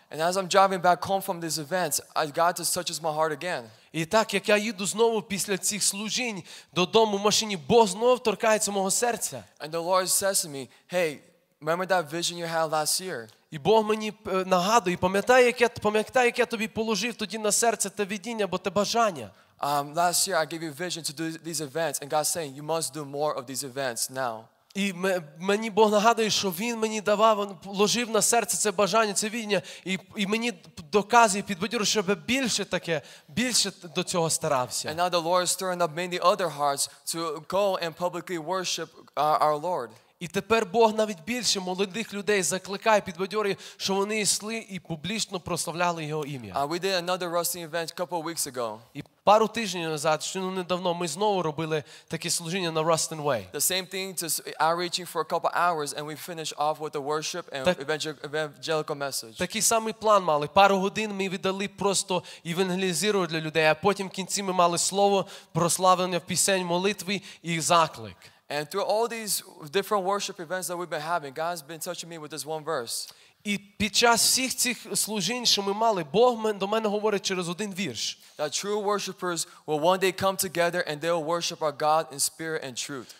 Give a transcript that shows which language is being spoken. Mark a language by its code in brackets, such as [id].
[en] And as I'm driving back home from these events, God just touches my heart again. [uk] І так, як я їду знову після цих служінь додому в машині, Бог знову торкається мого серця. [en] And the Lord says to me, "Hey, remember that vision you had last year?" [uk] І Бог мені нагадує, пам'ятай, як я тобі положив тоді на серце те видіння, бо те бажання. [en] Last year I gave you vision to do these events, and God's saying, you must do more of these events now. [uk] І мені Бог нагадує, що Він мені давав, ложив на серце це бажання, це видіння, і мені доказує, підбадьорює, щоб більше таке, більше до цього старався. [en] And now the Lord is stirring up many other hearts to go and publicly worship our Lord. [uk] І тепер Бог навіть більше молодих людей закликає, підбадьорює, що вони йшли і публічно прославляли Його ім'я. [en] We did another wrestling event a couple of weeks ago. [uk] І пару тижнів назад, щойно недавно, ми знову робили таке служіння на Rustin Way. [en] The same thing, just outreaching for a couple of hours, and we finished off with the worship and evangelical message. [uk] Такий самий план мали. Пару годин ми віддали просто евангелізирувати для людей, а потім в кінці ми мали слово, прославлення в пісень, молитви і заклик. [en] And through all these different worship events that we've been having, God's been touching me with this one verse. [uk] І під час всіх цих служінь, що ми мали, Бог до мене говорить через один вірш. [en] That true worshipers will one day come together and they'll worship our God in spirit and truth.